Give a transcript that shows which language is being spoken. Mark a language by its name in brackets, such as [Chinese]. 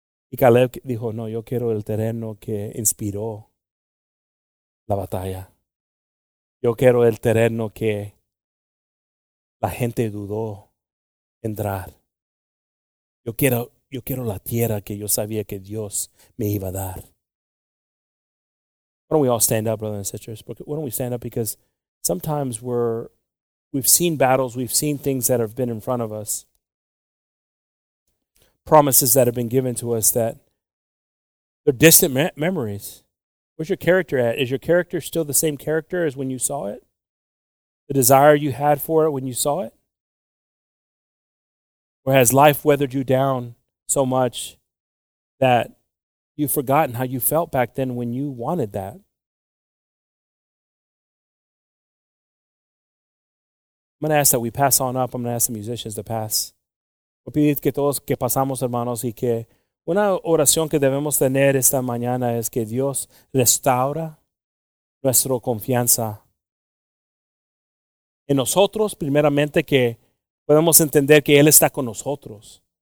[Spanish] Y Caleb dijo, no, yo quiero el terreno que inspiró la batalla. Yo quiero el terreno que la gente dudó entrar. Yo quiero la tierra que yo sabía que Dios me iba a dar. [English] Why don't we all stand up, brothers and sisters? Why don't we stand up? Because sometimes we've seen battles, we've seen things that have been in front of us. Promises that have been given to us that they're distant memories. Where's your character at? Is your character still the same character as when you saw it? The desire you had for it when you saw it? Or has life weathered you down so much that you've forgotten how you felt back then when you wanted that? I'm going to ask that we pass on up. I'm going to ask the musicians to pass. [Spanish] Voy a pedir que todos que pasamos, hermanos, y que una oración que debemos tener esta mañana es que Dios restaura nuestra confianza en nosotros, primeramente que podemos entender que Él está con nosotros.